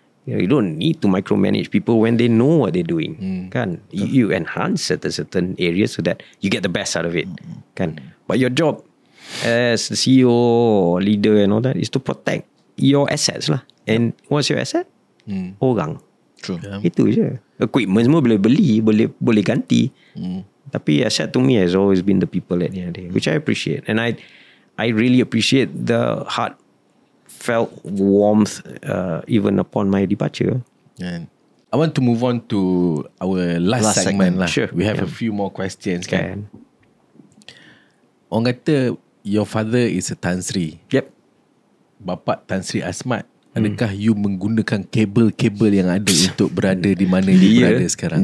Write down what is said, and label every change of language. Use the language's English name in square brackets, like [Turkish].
[English] You know, you don't need to micromanage people when they know what they're doing. Mm. Kan? You enhance certain areas so that you get the best out of it. Mm. Kan? But your job as the CEO or leader and all that is to protect your assets lah. And what's your asset? Mm. [Malay] Orang. [English] True. [Malay] Yeah. Itu je. Equipment semua boleh beli, boleh ganti. Mm. [English] Tapi asset to me has always been the people at the end, which I appreciate. And I really appreciate the heartfelt warmth even upon my departure. And I want to move on to our last segment. Lah. Sure. We have a few more questions. Okay. Kan? [Malay] Orang kata [English] your father is a Tan Sri. Yep. [Malay] Bapak Tan Sri Asmat. Adakah you menggunakan kabel-kabel yang ada untuk berada di mana dia you berada sekarang?